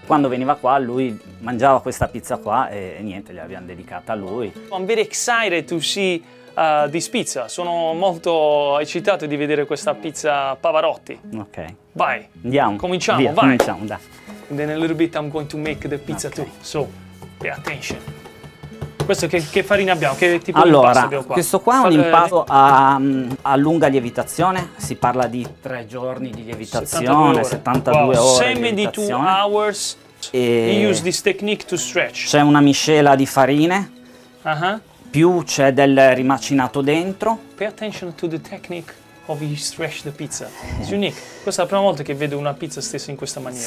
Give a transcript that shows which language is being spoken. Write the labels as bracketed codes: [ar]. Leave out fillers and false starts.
[it] Quando veniva qua, lui mangiava questa pizza qua e niente, gli abbiamo dedicata a lui. [en] I'm very excited to see this pizza. [it] Sono molto eccitato di vedere questa pizza Pavarotti. Ok. Vai. Andiamo. Cominciamo, via, vai. Cominciamo, da. [en] And then a little bit I'm going to make the pizza, okay, too. So, pay attention. [it] Questo che farina abbiamo? Che tipo, allora, di impasto abbiamo qua? Questo qua è un impasto a lunga lievitazione. Si parla di 3 giorni di lievitazione. 72 ore. wow, ore [en] 72 hours. [it] E [en] you use this technique to stretch. [it] C'è una miscela di farine. Uh-huh. Più c'è del rimacinato dentro. [en] Pay attention to the technique of you stretch the pizza. It's unique. [it] Questa è la prima volta che vedo una pizza stessa in questa maniera.